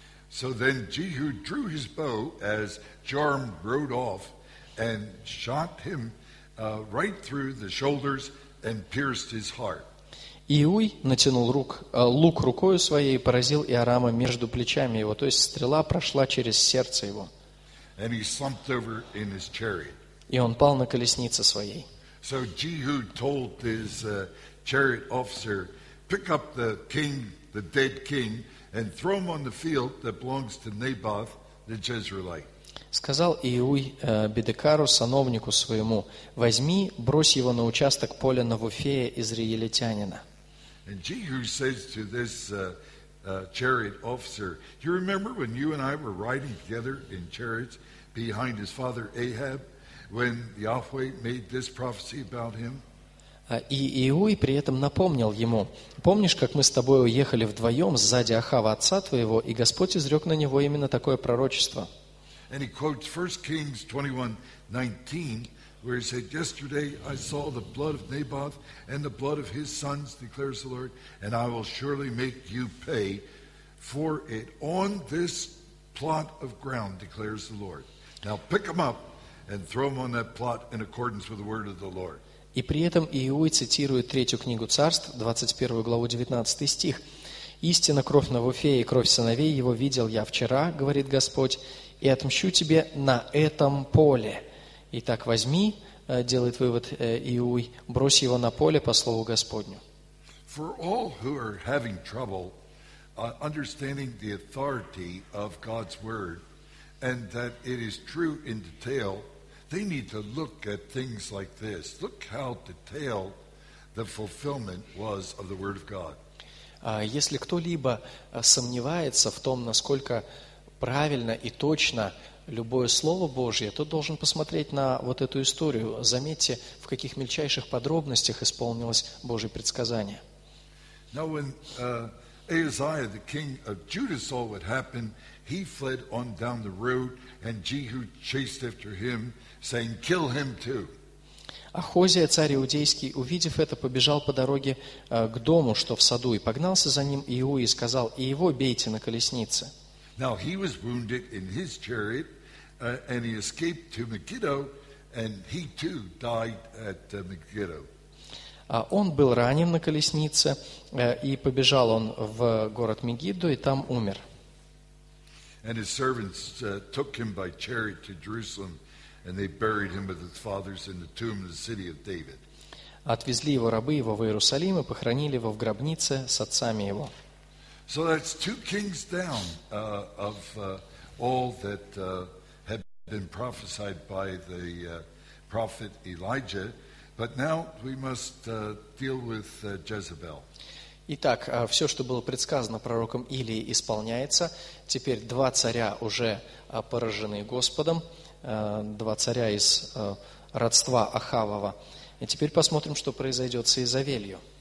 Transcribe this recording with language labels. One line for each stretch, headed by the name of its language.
English: So then Jehu drew his bow as Joram rode off and shot him right through the shoulders and pierced his heart.
Russian: Иуй натянул лук рукою своей и поразил Иорама между плечами его. То есть стрела прошла через сердце его.
English: And he slumped over in his chariot.
Russian: И он пал на колеснице своей.
English: So Jehu told his chariot officer, pick up the king, the dead king, and throw him on the field that belongs to Naboth, the Jezreelite.
Russian: Сказал Иуй Бидекару, сановнику своему, возьми, брось его на участок поля Навуфея из Риелитянина.
English: And Jehu says to this chariot officer, you remember when you and I were riding together in chariots behind his father Ahab, when Yahweh made this prophecy about him?
Russian: И Иуй при этом напомнил ему, помнишь, как мы с тобой уехали вдвоем сзади Ахава, отца твоего, и Господь изрек на него именно такое пророчество?
English: And he quotes 1 Kings 21:19, where he said, yesterday I saw the blood of Naboth and the blood of his sons, declares the Lord, and I will surely make you pay for it on this plot of ground, declares the Lord. Now pick him up and throw him on that plot in accordance with the word of the Lord.
Russian: И при этом Иуй цитирует третью книгу Царств, 21 главу 19 стих. «Истинно кровь Навуфея и кровь сыновей его видел я вчера, говорит Господь, и отмщу тебе на этом поле». Итак, возьми, делает вывод Иуй, брось его на поле по слову Господню.
English: For all who are having trouble understanding the authority of God's word and that it is true in detail, they need to look at things like this. Look how detailed the fulfillment was of the word of God.
Russian: Если кто-либо сомневается в том, насколько правильно и точно любое слово Божье, то должен посмотреть на вот эту историю. Заметьте, в каких мельчайших подробностях исполнилось Божье предсказание.
English: Now when Ahaziah, the king of Judah, saw what happened, he fled on down the road, and Jehu chased after him, saying, kill him too.
Russian: Ахозия, царь иудейский, увидев это, побежал по дороге к дому, что в саду, и погнался за ним Иуи и сказал, и его бейте на колеснице.
English: Now he was wounded in his chariot, and he escaped to Megiddo, and he too died at Megiddo.
Russian: Он был ранен на колеснице, и побежал он в город Мегиддо, и там умер.
English: And his servants took him by chariot to Jerusalem, and they buried him with his fathers in the tomb of the city of David.
Russian: Отвезли его рабы его в Иерусалим и похоронили его в гробнице с отцами его.
English: So that's two kings down of all that been prophesied by the prophet Elijah, but now we must deal with Jezebel.
Russian: Итак, все, что было предсказано пророком Илией, исполняется. Теперь два царя уже поражены Господом, два царя из родства Ахавова. И теперь посмотрим, что произойдет с Изавелью.